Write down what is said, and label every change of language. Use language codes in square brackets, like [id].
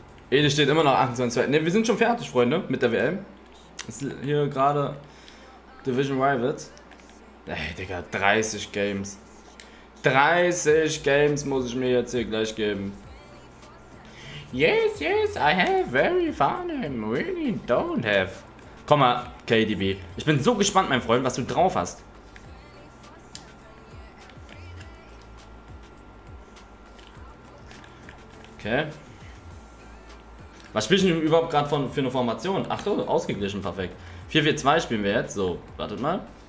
[de] Ede steht immer noch 28. Ne, wir sind schon fertig, Freunde, mit der WM. Ist hier gerade Division Rivals. Ey, Digga, 30 Games. 30 Games muss ich mir jetzt hier gleich geben. [en] Yes, yes, I have very fun and really don't have. [de] Komm mal, KDB. Ich bin so gespannt, mein Freund, was du drauf hast. Okay. Was spielst du denn überhaupt gerade für eine Formation? Ach so, ausgeglichen, perfekt. 4-4-2 spielen wir jetzt. So, wartet mal.